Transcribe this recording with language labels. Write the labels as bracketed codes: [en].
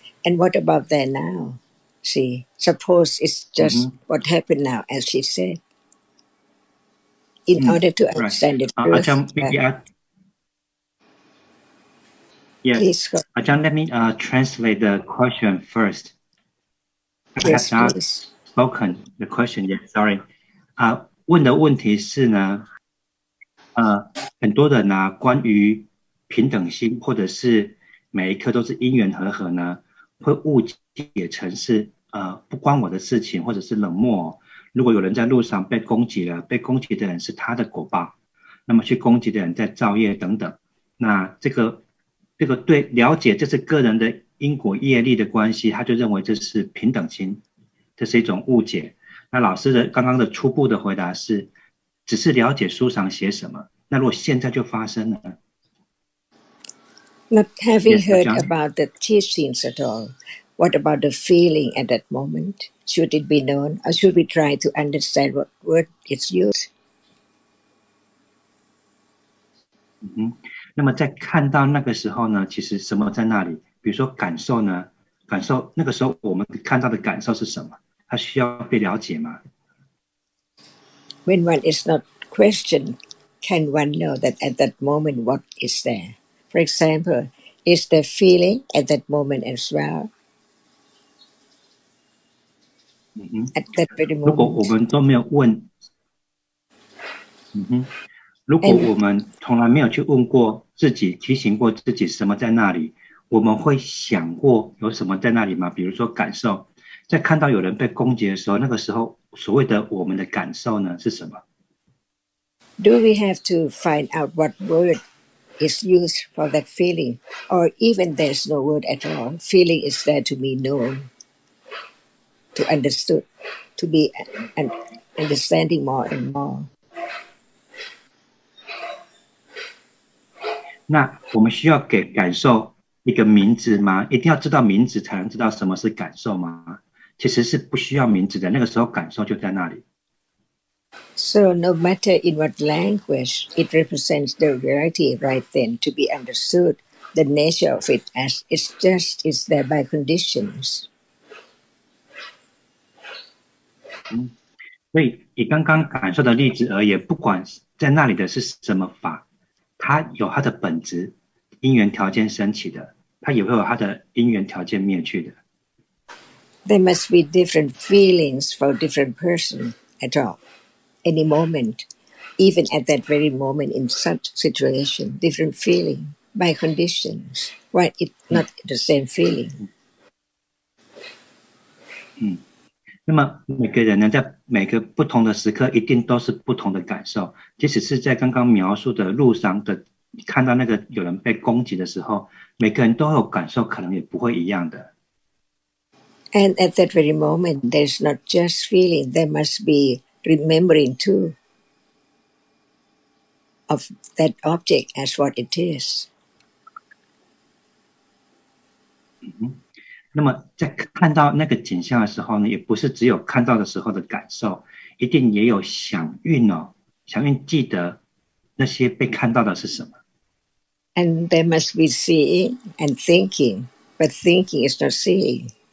[en] And what about there now? See, suppose it's just what happened now, as she said. In order to understand the truth. Ajahn, please go. Ajahn, let me translate the question first. Yes, I have not spoken the question yet, sorry. [zh] 问的问题是呢，很多人呢，关于平等心，或者是每一刻都是因缘和合呢，会误解成是不关我的事情或者是冷漠、哦、如果有人在路上被攻击了被攻击的人是他的果报那么去攻击的人在造业等等那这个对了解这是个人的因果业力的关系他就认为这是平等心这是一种误解那老师的刚刚的初步的回答是只是了解书上写什么那如果现在就发生了 [en] Not having yes, heard about the teachings at all, what about the feeling at that moment? Should it be known, or should we try to understand what word is used? [zh] 那么在看到那个时候呢，其实什么在那里？比如说感受呢？感受那个时候我们看到的感受是什么？它需要被了解吗 [en] ？When one is not questioned, can one know that at that moment what is there? For example, is the feeling at that moment as well? At that very moment. [zh] 如果我们都没有问，如果我们从来没有去问过自己，提醒过自己什么在那里，我们会想过有什么在那里吗？比如说感受，在看到有人被攻击的时候，那个时候所谓的我们的感受呢是什么 [en] ？Do we have to find out what word? Is used for that feeling, or even there's no word at all. Feeling is there to be known, to understood, to be an understanding more and more. [zh] 那我们需要给感受一个名字吗？一定要知道名字才能知道什么是感受吗？其实是不需要名字的，那个时候感受就在那里。 [en] So no matter in what language, it represents the reality right then to be understood, the nature of it as it's just is there by conditions. [zh] 所以以刚刚感受的例子而言，不管在那里的是什么法，它有它的本质，因缘条件升起的，它也会有它的因缘条件灭去的。 [en] There must be different feelings for different person at all. Any moment, even at that very moment in such situation, different feeling by conditions. Why it not the same feeling? [zh] 那么每个人呢，在每个不同的时刻，一定都是不同的感受。即使是在刚刚描述的路上的，看到那个有人被攻击的时候，每个人都有感受，可能也不会一样的。 [en] And at that very moment, there's not just feeling. There must be. Remembering too of that object as what it is. [zh] 那么在看到那个景象的时候呢，也不是只有看到的时候的感受，一定也有想运哦，想运记得那些被看到的是什么。 [en] And there must be seeing and thinking, but thinking is not seeing.